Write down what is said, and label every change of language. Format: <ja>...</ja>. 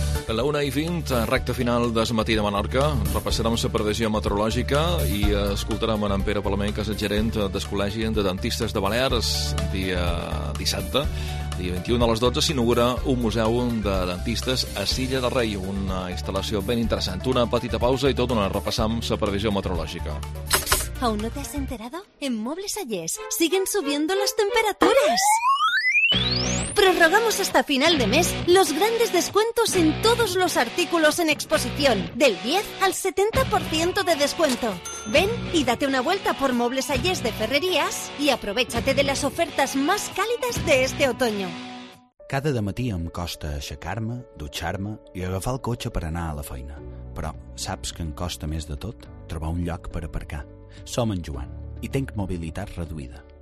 <ca>A la 1:20, recta final d'es matí de Menorca, repassarem la previsió meteorològica i escoltarem en Pere Palament, que és el gerent del Col·legi de Dentistes de Balears, dia dissabte. Dia 21 a les 12 s'inaugura un museu de dentistes a Silla del Rei, una instal·lació ben interessant. Una petita pausa i tot on repassam la previsió meteorològica.</ca> <es>¿Aún no te has enterado? En Muebles Allés siguen subiendo las temperaturas. Prorrogamos hasta final de mes los grandes descuentos en todos los artículos en exposición, del 10 al 70% de descuento. Ven y date una vuelta por Muebles Allés de Ferrerías y aprovechate de las ofertas más cálidas de este otoño.</es> <ca>Cada dematí em costa aixecar-me, dutxar-me i agafar el cotxe per anar a la feina. Però saps que em costa més de tot trobar un lloc per aparcar. Som en Joan i tenc mobilitat reduïda.</ca>